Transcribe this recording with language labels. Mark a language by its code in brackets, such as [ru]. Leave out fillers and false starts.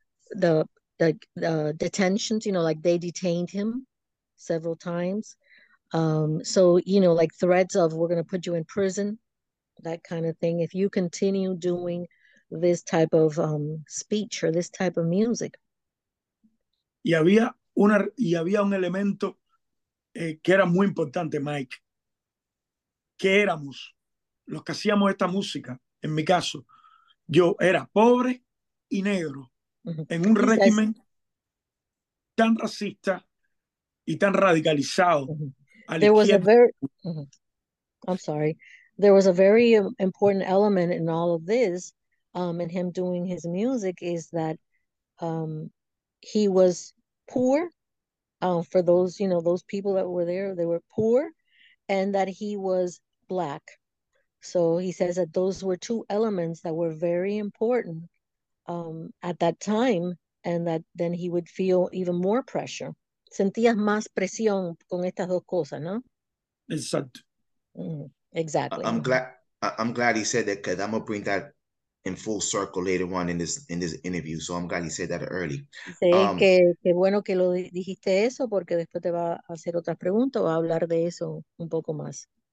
[en] The detentions, you know, like they detained him several times. So, you know, like threats of we're going to put you in prison, that kind of thing, if you continue doing this type of speech or this type of music. [es] Y había un elemento que era muy importante, Mike, que éramos los que hacíamos esta música. En mi caso, yo era pobre y negro en un régimen tan racista y tan radicalizado. [en] There was a very important element in all of this, in him doing his music, is that he was poor, for those, you know, those people that were there, they were poor, and that he was black. So he says that those were two elements that were very important at that time, and that then he would feel even more pressure. [es] Sentías más presión con estas dos cosas, ¿no? Exacto. [en] Exactly. I'm glad he said that, because I'm gonna bring that in full circle later on in this interview. So I'm glad he said that early. [es] Sí, que bueno que lo dijiste eso, porque después te va a hacer otra pregunta o va a hablar de eso un poco más.